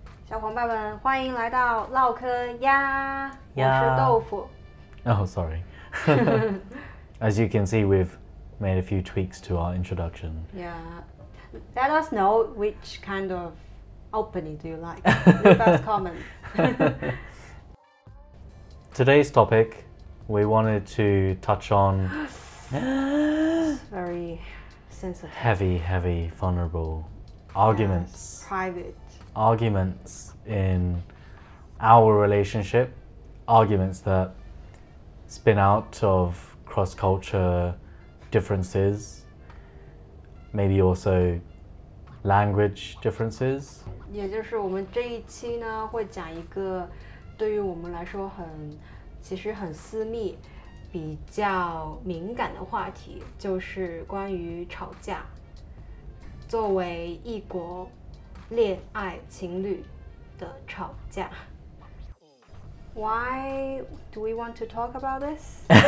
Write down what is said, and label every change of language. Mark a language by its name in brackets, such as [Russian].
[Chinese] 小伙伴们，欢迎来到唠嗑呀。 [English] Yeah. [Chinese] 我是豆腐。 [English] Oh, sorry. As you can see, we've made a few tweaks to our introduction. Yeah. Let us know which kind of opening do you like. Your best comment. Today's topic, we wanted to touch on. Very sensitive. Heavy, vulnerable arguments. Yes, private. Arguments in our relationship. Arguments that spin out of cross-culture differences. Maybe also language differences. [Chinese] 也就是我们这一期呢，会讲一个对于我们来说很，其实很私密。比较敏感的话题就是关于吵架。作为异国恋爱情侣的吵架。 [English] Why do we want to talk about this?